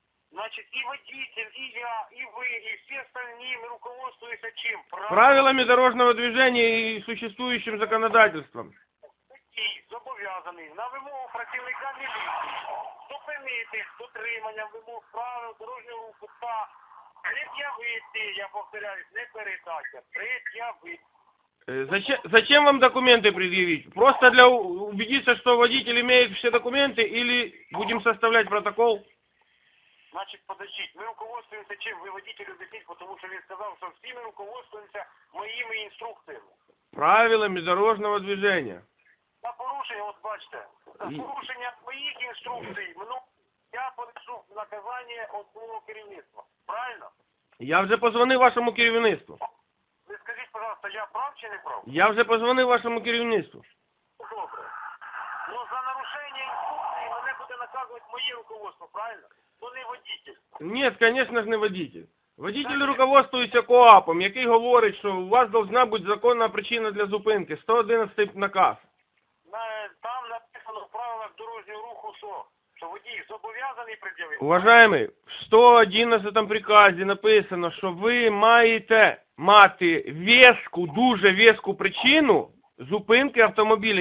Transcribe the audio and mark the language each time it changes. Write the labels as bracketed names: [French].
[Russian] Значит, и водитель, и я, и вы, и все остальные руководствуются чем? Правилами дорожного движения и существующим законодательством. [Ukrainian] И зобов'язаний на вимогу працівника міліції зупинити дотримання вимог правил дорожнього руху та пред'явити, я повторяю, не передача, пред'явити. [Russian] Зачем вам документи пред'явить? Просто для убедиться, что водитель имеет все документы, или будем составлять протокол? Значит, подождите, мы руководствуемся чем? Вы водителю объяснить, потому что я сказал, что всеми руководствуемся моими инструкциями. Правилами дорожного движения. На порушение, вот бачите, на порушение моих инструкций, я понесу наказание от моего керівництва. Правильно? Я уже позвонил вашему керівництву. Вы скажите, пожалуйста, я прав или не прав? Я уже позвонил вашему керівництву. Добре. Но за нарушение инструкции мне будет наказывать мое руководство, правильно? Водитель. Нет, конечно ж, не водитель. [Ukrainian] Водитель руководствується КОАПом, який говорить, що у вас должна бути законна причина для зупинки. 111 наказ. Там написано в правилах дорожнього руху, що водій зобов'язаний пред'явити. Уважаємо, в 111 приказі написано, що ви маєте мати веску, дуже веску причину зупинки автомобіля.